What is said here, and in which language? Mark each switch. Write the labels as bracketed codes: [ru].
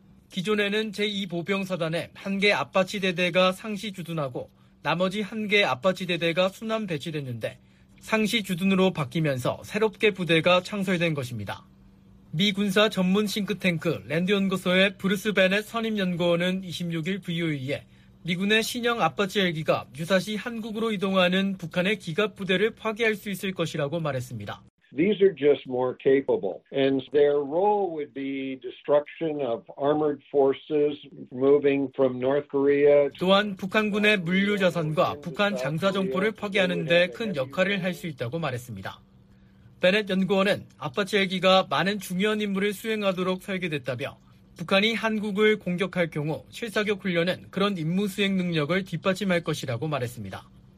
[ko] 기존에는 제2보병사단에 1개 아파치 대대가 상시 주둔하고 나머지 1개 아파치 대대가 순환 배치됐는데 상시 주둔으로 바뀌면서 새롭게 부대가 창설된 것입니다. 미 군사 전문 싱크탱크 랜드연구소의 브루스 베넷 선임연구원은 26일 VOA에 미군의 신형 아파치 헬기가 유사시 한국으로 이동하는 북한의 기갑 부대를 파괴할 수 있을 것이라고 말했습니다. [en] These are just more capable, and their role would be destruction of armored forces moving from North Korea. [ko] 또한 북한군의 물류 자산과 북한 장사 정보를 파괴하는 데 큰 역할을 할 수 있다고 말했습니다. 베넷 연구원은 아파치 헬기가 많은 중요한 임무를 수행하도록 설계됐다며 북한이 한국을 공격할 경우 실사격 훈련은 그런 임무 수행 능력을 뒷받침할 것이라고 말했습니다.